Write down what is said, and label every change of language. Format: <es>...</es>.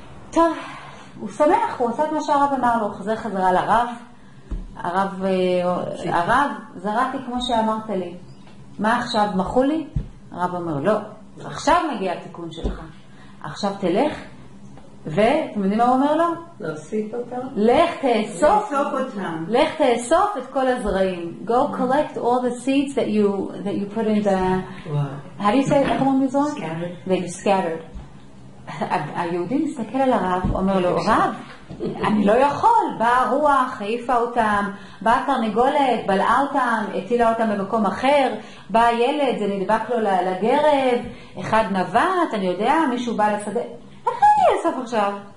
<he>טוב, הוא שמח, הוא עושה את מה שהרב אמר לו, חזר חזרה לרב. הרב, זרעתי כמו שאמרת לי. מה עכשיו, מחו לי? הרב אומר, לא, עכשיו מגיע התיקון שלך. עכשיו תלך, ואתם יודעים מה הוא אומר לו? להוסיף אותם. לך תאסוף. לאסוף אותם. לך תאסוף את כל הזרעים.</he> <en>Go collect all the seeds that you put in the... Wow. How do you say it?</en> <he>איך אומרים לזרוע?</he> <en>Scattered. They scattered.</en> <he>היהודי מסתכל על הרב, אומר לו, רב, אני לא יכול, באה רוח, חיפה אותם, באה תרנגולת, בלעה אותם, הטילה אותם במקום אחר, באה ילד, זה נדבק לו לגרב, אחד נווט, אני יודע, מישהו בא לשדה, איך אני אסוף עכשיו?</he>